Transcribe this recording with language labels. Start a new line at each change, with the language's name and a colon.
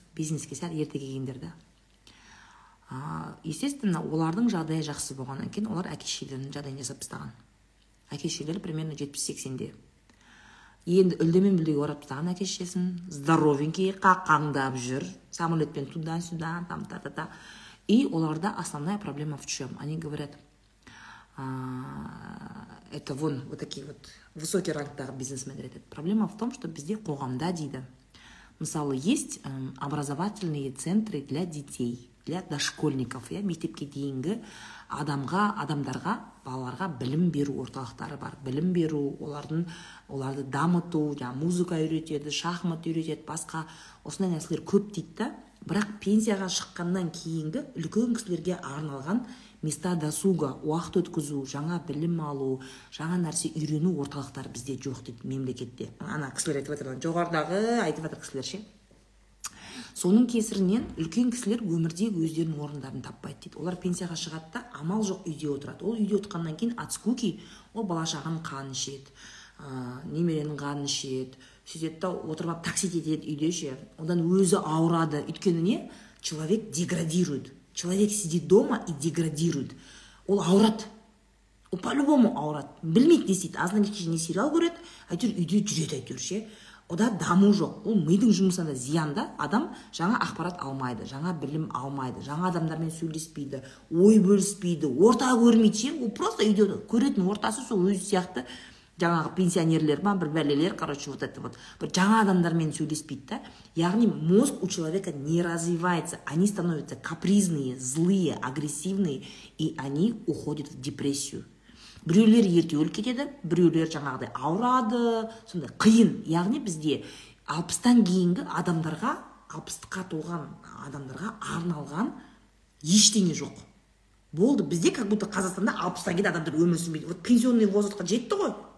Kazakh: Бизнеске сәл ерте келгендер да. Естественно, олардың жағдайы жақсы болғаннан кейін олар әкешелерінің жағдайын жасап тастаған. Әкешелері примерно 70-80-де. Енді үлдемен бүлдеге орап тастаған әкешесін, здоровенький, қаққандап жүр, самолетпен
Russian: туда-сюда, там та-та-та. И оларда основная проблема в чем? Они говорят, это вон вот такие вот высокие рангтағы
Kazakh: бизнесмендер айтады.
Russian: Проблема в том, что
Kazakh: бізде қоғамда дейді. Мысалы,
Russian: есть образовательные центры для детей, для дошкольников,
Kazakh: я мектепке дейінгі адамға, адамдарға, балаларға білім беру орталықтары бар. Білім беру, оларды дамыту, да, музыка үйретеді, шахмат үйретеді, басқа. Осындай нәрселер көп дейді. Бірақ пенсияға шыққаннан кейінгі үлкен кісілерге арналған
Russian: места досуга,
Kazakh: уақыт өткізу, жаңа білім алу, жаңа нәрсе үйрену орталықтары бізде жоқ дейді мемлекетте. Ана кісілер айтып отырған, жоғарыдағы айтып отыр кісілер ше. Соның кесірінен үлкен кісілер өмірде өздерінің орындарын таппайды дейді. Олар пенсияға шығады да, амал жоқ үйде отырады. Ол үйде отқаннан кейін
Russian: от скуки,
Kazakh: ол бала-шағаның қанын ішеді, немеренің қанын ішеді. Сөйтеді да, отырып алып такси кетеді үйде ше. Одан өзі ауырады. Өйткені не?
Russian: Человек деградирует. Человек сидит дома и деградирует.
Kazakh: Ол ауырады. Ол по-любому ауырады. Білмейді не істейді. Азынан кешке не сериал көреді, әйтеуір үйде жүреді әйтеуір ше. Ода даму жоқ. Ол мидың жұмысында зиянда адам жаңа ақпарат алмайды, жаңа білім алмайды, жаңа адамдармен сөйлеспейді, ой бөліспейді, орта көрмейді ше. Ол просто үйде көретін ортасы сол өзі сияқты жаңағы пенсионерлер ма, бір бәлелер, короче, вот это вот. Бір жаңа адамдармен сөйлеспейді да.
Russian: Яғни мозг у человека не развивается, они становятся капризные, злые, агрессивные, и они уходят в депрессию.
Kazakh: Біреулер ерте өліп кетеді, біреулер жаңағыдай ауырады, сонда қиын. Яғни бізде 60-тан кейінгі адамдарға, 60-қа толған адамдарға арналған ештеңе жоқ. Болды, бізде как будто Қазақстанда 60-тан кейін адамдар өмір сүрмейді. Вот пенсионный возрастқа жетті ғой.